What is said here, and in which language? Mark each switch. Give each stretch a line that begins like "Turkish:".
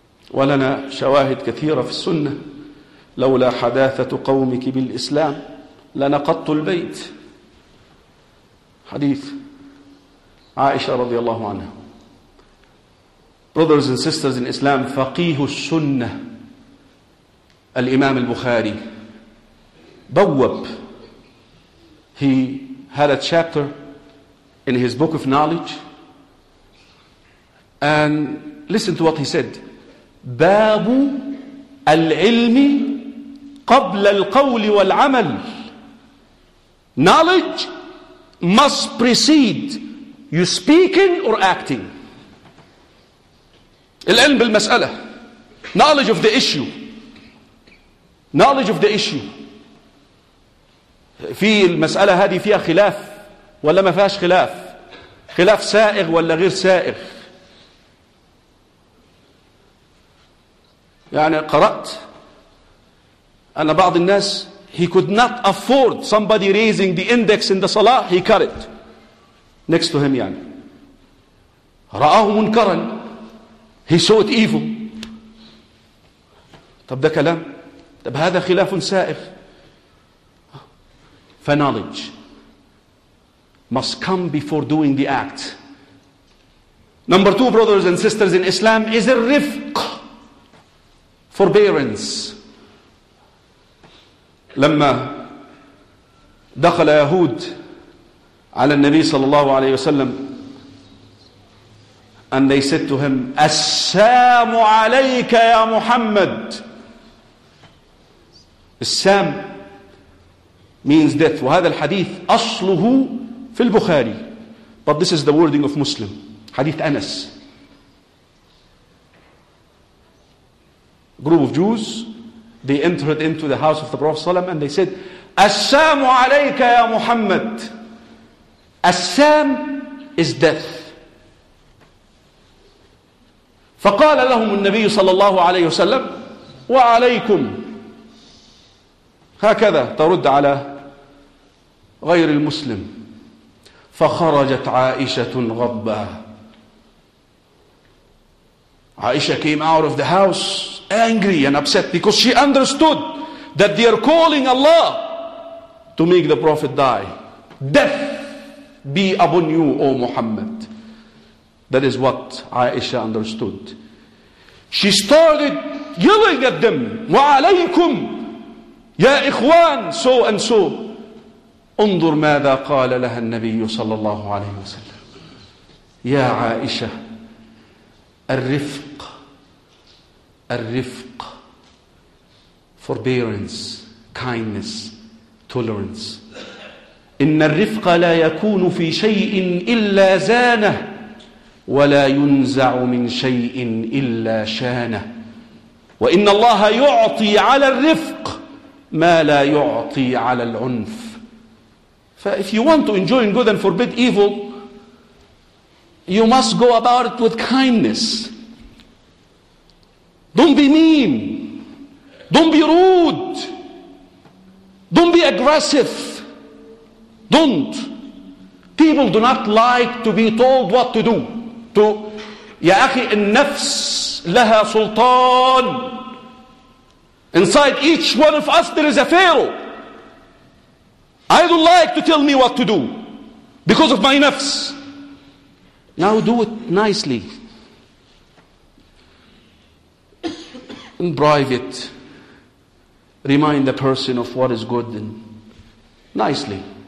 Arabic: ولنا شواهد كثيرة في السنة لولا حداثة قومك بالإسلام لنقطت البيت. حديث عائشة رضي الله عنها.
English: Brothers and sisters in Islam,
Arabic: فقيه السنة الإمام البخاري بوب.
English: He had a chapter in his book of knowledge, and listen to what he said.
Arabic: باب العلم قبل القول والعمل.
English: Knowledge must precede you speaking or acting.
Arabic: العلم بالمسألة.
English: Knowledge of the issue. Knowledge of the issue.
Arabic: في المسألة هذه فيها خلاف ولا ما فيهاش خلاف؟ خلاف سائغ ولا غير سائغ؟ يعني قرأت أن بعض الناس
English: he could not afford somebody raising the index in the salah, he cut it next to him.
Arabic: يعني رآه منكرا,
English: he saw it evil.
Arabic: طب ده كلام, طب هذا خلاف سائغ.
English: فknowledge must come before doing the act. Number two, brothers and sisters in Islam, is الرفق, forbearance.
Arabic: لما دخل يهود على النبي صلى الله عليه وسلم,
English: and they said to him,
Arabic: السلام عليك يا محمد.
English: السلام means death.
Arabic: وهذا الحديث أصله في البخاري.
English: But this is the wording of Muslim.
Arabic: حديث أنس.
English: Group of Jews, they entered into the house of the Prophet ﷺ and they said,
Arabic: السلام عليك يا محمد.
English: السلام is death.
Arabic: فقال لهم النبي صلى الله عليه وسلم, وعليكم. هكذا ترد على غير المسلم. فخرجت عائشة غضبا.
English: عائشة came out of the house angry and upset because she understood that they are calling Allah to make the Prophet die. Death be upon you, O Muhammad. That is what Aisha understood. She started yelling at them,
Arabic: وعليكم يا إخوان,
English: so and so.
Arabic: انظر ماذا قال لها النبي صلى الله عليه وسلم. يا عائشة, الرفق, الرفق,
English: forbearance, kindness, tolerance.
Arabic: إن الرفق لا يكون في شيء إلا زانه ولا ينزع من شيء إلا شانه. وإن الله يعطي على الرفق ما لا يعطي على العنف.
English: If you want to enjoy good and forbid evil, you must go about it with kindness. Don't be mean. Don't be rude. Don't be aggressive. Don't. People do not like to be told what to do.
Arabic: To, يا أخي, النفس لها سلطان.
English: Inside each one of us there is a pharaoh. I don't like to tell me what to do because of my nafs. Now do it nicely. In private, remind the person of what is good and nicely.